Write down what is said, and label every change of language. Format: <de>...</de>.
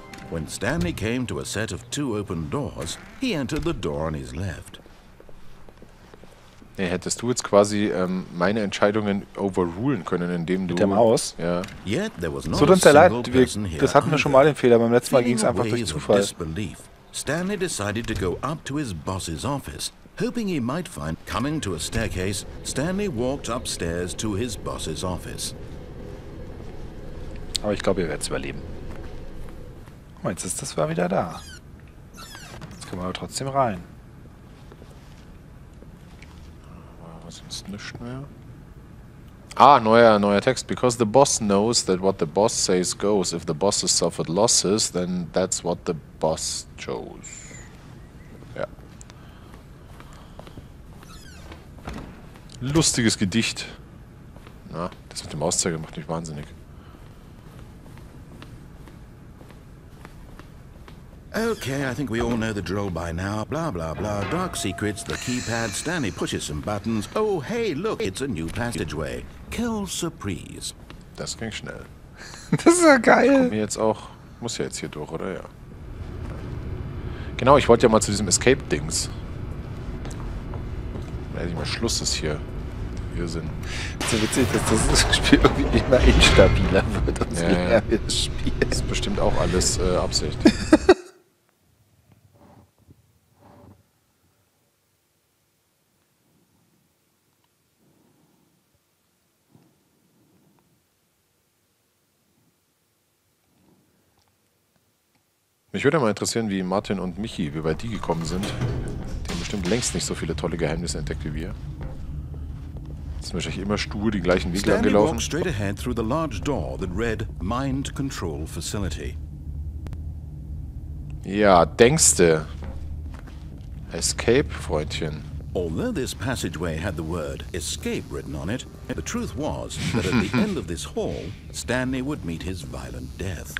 <en>When Stanley came to a set of two open doors, he entered the door on his left.</en> <de>Hey, hättest du jetzt quasi meine Entscheidungen overrulen können, indem du... Mit der Maus? Ja. So, dann sehr leid, das hatten wir schon mal den Fehler. Beim letzten Mal ging es einfach durch Zufall.</de> <en>Stanley decided to go up to his boss's office. Hoping he might find coming to a staircase, Stanley walked upstairs to his boss's office.</en> <de>Aber ich glaube, ihr werdet es überleben. Guck mal, jetzt ist das war wieder da. Jetzt können wir aber trotzdem rein. Was ist nicht mehr? Ah, neuer Text.</de> <en>Because the boss knows that what the boss says goes. If the boss has suffered losses, then that's what the boss chose.</en> <de>Lustiges Gedicht. Na, das mit dem Mauszeiger macht mich wahnsinnig.</de> <en>Okay, I think we all know the drill by now. Blah, blah, blah. Dark secrets, the keypad. Stanley pushes some buttons. Oh, hey, look, it's a new passageway. Kill surprise.</en> <de>Das ging schnell. Das ist ja geil. Kommen wir jetzt auch. Muss ja jetzt hier durch, oder? Ja. Genau, ich wollte ja mal zu diesem Escape-Dings. Ehrlich mal, Schluss ist hier. Wir sind. So witzig, dass das Spiel irgendwie immer instabiler wird und ja, ja. Das Spiel. Das ist bestimmt auch alles Absicht. Mich würde mal interessieren, wie Martin und Michi, wie bei die gekommen sind. Bestimmt längst nicht so viele tolle Geheimnisse entdeckt wie wir. Jetzt sind wahrscheinlich immer stur den gleichen Weg lang gelaufen.</de> <en>Stanley walked straight ahead through the large door that read Mind Control Facility.</en> <de>Ja, denkste. Escape, Freundchen.</de> <en>Although this passageway had the word Escape written on it, the truth was that at the end of this hall, Stanley would meet his violent death.</en>